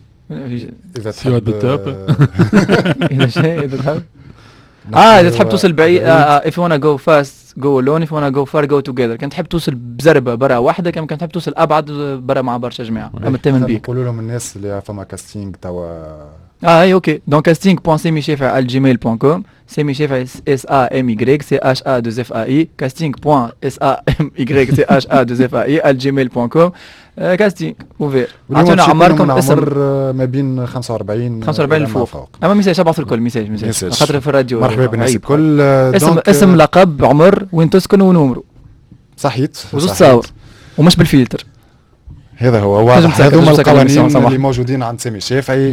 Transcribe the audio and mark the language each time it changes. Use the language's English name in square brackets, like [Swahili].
[Arabic] اذا تحب اذا تحب اذا تحب توصل بعيد [English] if you wanna go fast go alone if you wanna go far go together [Arabic] كان تحب توصل بزربه برا وحدك كان تحب توصل ابعد برا مع برشا جماعه اما تامن بيك نقول لهم الناس اللي فما كاستينغ توا اي اوكي دونك casting.semichef@gmail.com semichef s a m y c h a 2 f a i casting.samychef@gmail.com [French] casting ouvert [Arabic] عطونا عمركم اسم ما بين 45 45 الفوق اما ميساج ابعث الكل ميساج ميساج خاطر في الراديو مرحبا بالناس الكل اسم اسم لقب عمر وين تسكن ونمرو صحيت وزوج تصاور ومش بالفلتر هذا هو واضح هذو هما القوانين اللي موجودين عند سامي شافعي